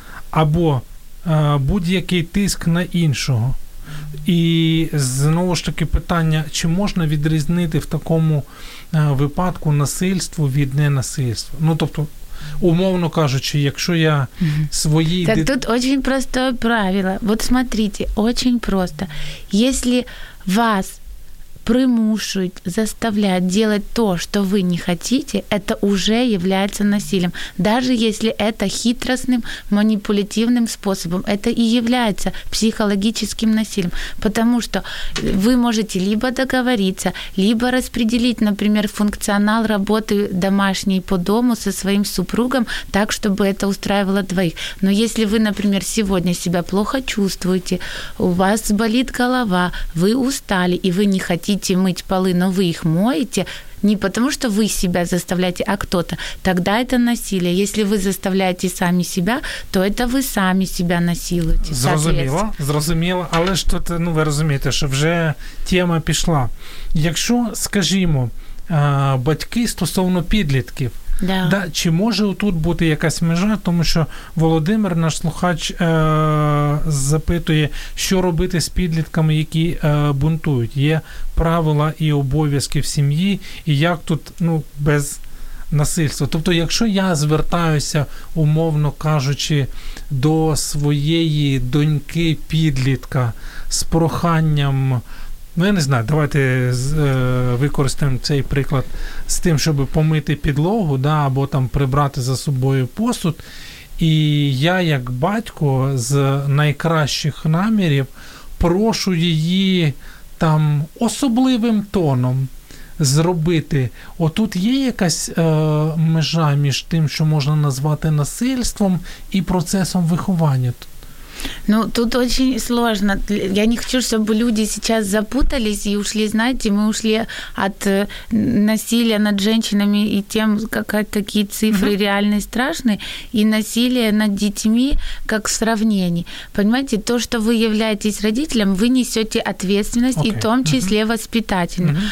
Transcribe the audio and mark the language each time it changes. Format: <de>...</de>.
<uk>Або будь-який тиск на іншого. І знову ж таки питання, чи можна відрізнити в такому випадку насильство від ненасильства? Ну, тобто, умовно кажучи, якщо я свої... Так тут дуже просте правило.</uk> <ru>Вот смотрите,</ru> <uk>дуже просто.</uk> <ru>Если вас</ru> <uk>примушують,</uk> <ru>заставляють делать то, что вы не хотите, это уже является насилием. Даже если это хитростным, манипулятивным способом, это и является психологическим насилием. Потому что вы можете либо договориться, либо распределить, например, функционал работы домашней по дому со своим супругом так, чтобы это устраивало двоих. Но если вы, например, сегодня себя плохо чувствуете, у вас болит голова, вы устали, и вы не хотите мыть полы, но вы их моете, Не потому, что вы себя заставляете, а кто-то. Тогда это насилие. Если вы заставляете сами себя, то это вы сами себя насилуете.</ru> <uk>Зрозуміло. Але ж тут, ну, ви розумієте, що вже тема пішла. Якщо, скажімо, батьки стосовно підлітків, да, чи може тут бути якась межа, тому що Володимир, наш слухач, запитує, що робити з підлітками, які бунтують. Є правила і обов'язки в сім'ї, і як тут, ну, без насильства. Тобто, якщо я звертаюся, умовно кажучи, до своєї доньки-підлітка з проханням, ну, я не знаю, давайте використаємо цей приклад з тим, щоб помити підлогу, да, або там прибрати за собою посуд. І я, як батько, з найкращих намірів прошу її там особливим тоном зробити. Отут є якась межа між тим, що можна назвати насильством і процесом виховання?</uk> <ru>Ну, тут очень сложно. Я не хочу, чтобы люди сейчас запутались и ушли, знаете, мы ушли от насилия над женщинами и тем, какие-то такие цифры реально страшные, и насилие над детьми как сравнение. Понимаете, то, что вы являетесь родителем, вы несете ответственность, okay, и в том числе воспитательную.</ru>